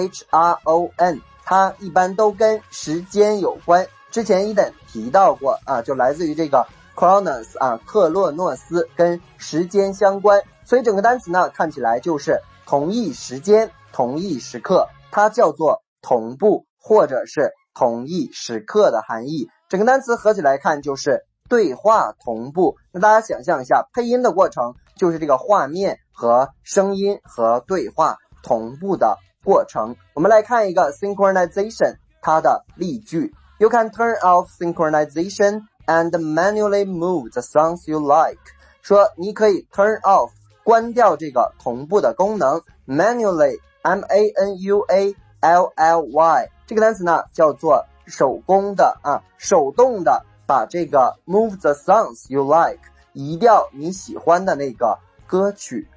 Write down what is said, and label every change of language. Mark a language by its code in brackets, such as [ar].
[zh] C-H-R-O-N它一般都跟时间有关，之前一等提到过啊，就来自于这个 Cronus 啊，克洛诺斯，跟时间相关，所以整个单词呢看起来就是同一时间、同一时刻，它叫做同步或者是同一时刻的含义。整个单词合起来看就是对话同步。那大家想象一下，配音的过程就是这个画面和声音和对话同步的过程。我们来看一个 synchronization 它的例句。 [en] You can turn off synchronization and manually move the songs you like. [zh] 说你可以 [en] turn off [zh] 关掉这个同步的功能， manually M-A-N-U-A-L-L-Y 这个单词呢叫做手工的啊，手动的把这个 [en] move the songs you like [zh] 移掉你喜欢的那个歌曲。